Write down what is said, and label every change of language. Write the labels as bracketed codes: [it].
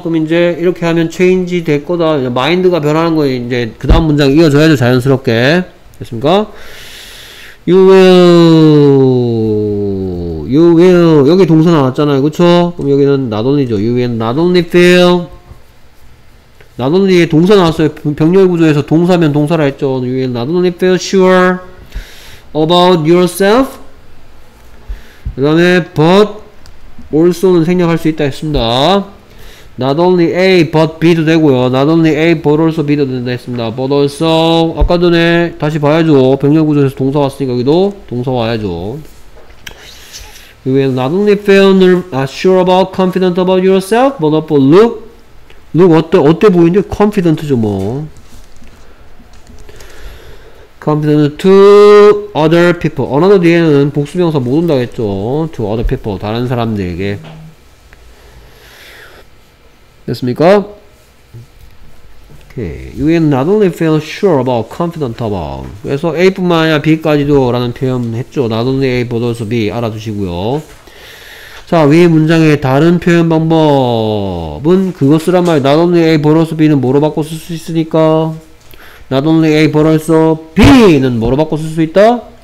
[ko] 그럼 이제 이렇게 하면 change 될 거다. 마인드가 변하는 거 이제 그 다음 문장 이어져야죠. 자연스럽게. 됐습니까? [en] You will. You will. [ko] 여기 동사 나왔잖아요. 그쵸? 그럼 여기는 not only죠. [en] You will not only feel. Not only [ko] 동사 나왔어요. 병렬 구조에서 동사면 동사라 했죠. [en] You will not only feel sure about yourself. [ko] 그 다음에 but also는 생략할 수 있다 했습니다. [en] Not only A but B도 되고요. Not only A but also B도 된다 했습니다. But also [ko] 아까 전에 다시 봐야죠. 병렬 구조에서 동사 왔으니까 여기도 동사 와야죠. [en] You will not only feel sure about, confident about yourself but also look. [ko] 너 어때 보이는데? Confident죠 뭐. [en] Confident to other people. Another 뒤에는 복수명사 못 온다 했죠. To other people. [ko] 다른 사람들에게. 됐습니까? Okay. [en] You will not only feel sure about, confident about. [ko] 그래서 A뿐만 아니라 B까지도 라는 표현 했죠. [en] Not only A but also B [ko] 알아두시고요. 자, 위 문장의 다른 표현 방법은 그거 쓰란 말이에요. [en] Not only A, but also B는 [ko] 뭐로 바꿔 쓸 수 있으니까? [en] Not only A, but also B는 [ko] 뭐로 바꿔 쓸 수 있다?